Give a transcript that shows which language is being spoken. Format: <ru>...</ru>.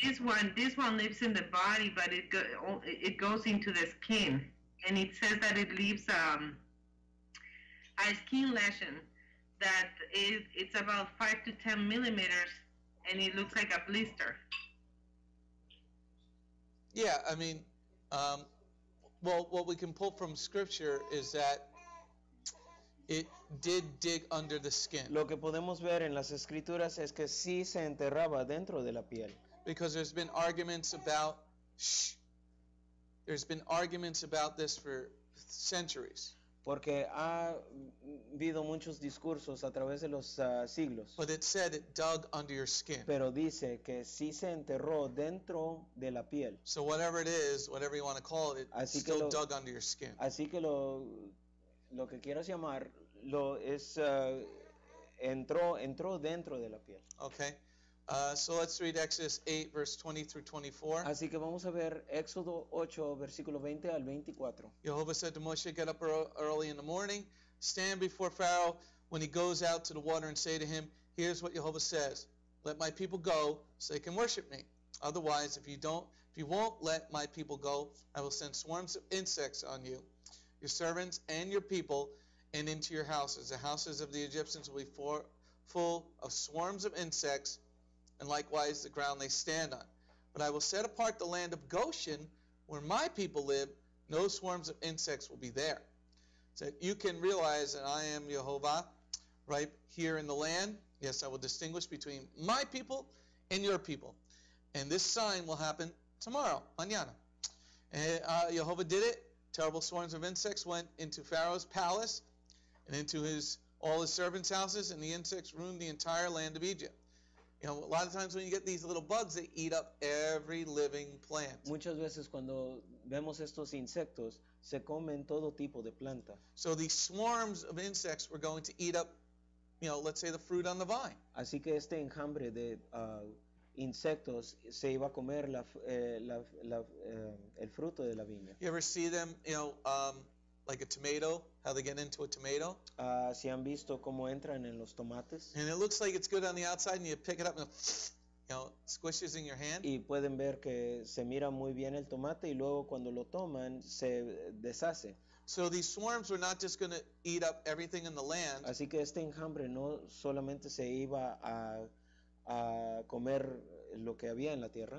<en>And this one lives in the body, but it goes into the skin, and it says that it leaves a skin lesion that it's about 5 to 10 millimeters, and it looks like a blister. Yeah, I mean, what we can pull from scripture is that it did dig under the skin.</en> <es>Lo que podemos ver en las escrituras es que sí se enterraba dentro de la piel.</es> <en>Because there's been arguments about, there's been arguments about this for centuries.</en> <es>Porque ha habido muchos discursos a través de los siglos.</es> <en>But it said it dug under your skin.</en> <es>Pero dice que sí se enterró dentro de la piel.</es> <en>So whatever it is, whatever you want to call it,</en> <es>así</es> <en>still lo, dug under your skin.</en> <es>Así que lo que quieras llamar lo es entró dentro de la piel.</es> <en>Okay. So let's read Exodus 8, verse 20 through 24.</en> <es>Así que vamos a ver Éxodo 8, versículo 20 al 24.</es> <en>Jehovah said to Moshe, get up early in the morning, stand before Pharaoh when he goes out to the water and say to him, here's what Jehovah says, let my people go so they can worship me. Otherwise, if you won't let my people go, I will send swarms of insects on you, your servants and your people, and into your houses. The houses of the Egyptians will be full of swarms of insects, and likewise the ground they stand on. But I will set apart the land of Goshen, where my people live. No swarms of insects will be there. So you can realize that I am Jehovah right here in the land. Yes, I will distinguish between my people and your people. And this sign will happen tomorrow, mañana. Jehovah did it. Terrible swarms of insects went into Pharaoh's palace and into all his servants' houses, and the insects ruined the entire land of Egypt. You know, a lot of times when you get these little bugs, they eat up every living plant.</en> <es>Muchas veces cuando vemos estos insectos, se comen todo tipo de planta.</es> <en>So these swarms of insects were going to eat up, you know, let's say the fruit on the vine.</en> <es>Así que este enjambre de insectos se iba a comer el fruto de la viña.</es> <en>You ever see them, you know, like a tomato, how they get into a tomato.</en> <es>¿Sí han visto cómo entran en los tomates?</es> <en>And it looks like it's good on the outside, and you pick it up, and it, you know, squishes in your hand.</en> <es>Y pueden ver que se mira muy bien el tomate, y luego cuando lo toman, se deshace.</es> <en>So these swarms were not just going to eat up everything in the land.</en> <es>Así que este enjambre no solamente se iba a comer lo que había en la tierra.</es>